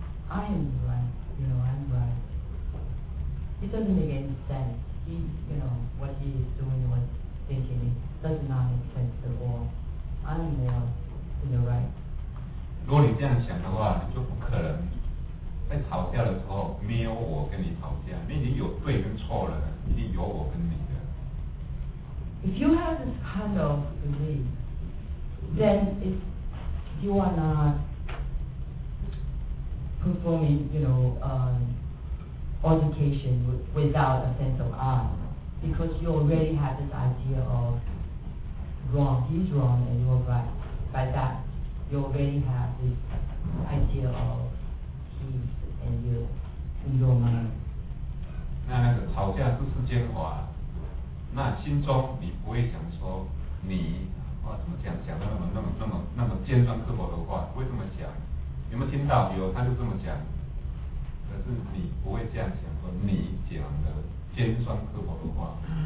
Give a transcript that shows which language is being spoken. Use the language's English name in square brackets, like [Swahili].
[English] I am right, you know, I'm right. It doesn't make any sense. He, you know, what he is doing, what he's thinking, it does not make sense at all. I'm more in the right. [Chinese] 如果你这样想的话，你就不可能在吵架的时候没有我跟你吵架，你已经有对跟错了，已经有我跟你的。 [English] If you have this kind of belief, then it's you are not performing, you know, altercation without a sense of I, because you already have this idea of wrong, he's wrong and you're right. By that, you already have this idea of he. And you, in your mind. [Chinese] 那个吵架是世间法，那心中你不会想说你啊怎么讲讲的那么尖酸刻薄的话，不会这么讲。有没有听到？有，他就这么讲。可是你不会这样想说你讲的尖酸刻薄的话。